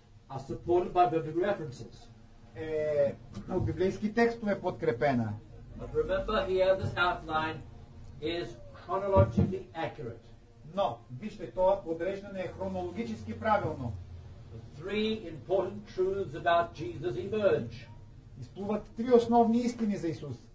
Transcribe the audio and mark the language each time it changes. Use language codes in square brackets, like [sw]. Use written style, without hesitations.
[en] are supported by biblical references. [bg] Е, от библейски текстове подкрепена. [en] But remember here this outline is chronologically accurate. [bg] Но, вижте, това подреждане е хронологически правилно. [en] The three important truths about Jesus emerge. [bg] Изплуват три основни истини за Исус.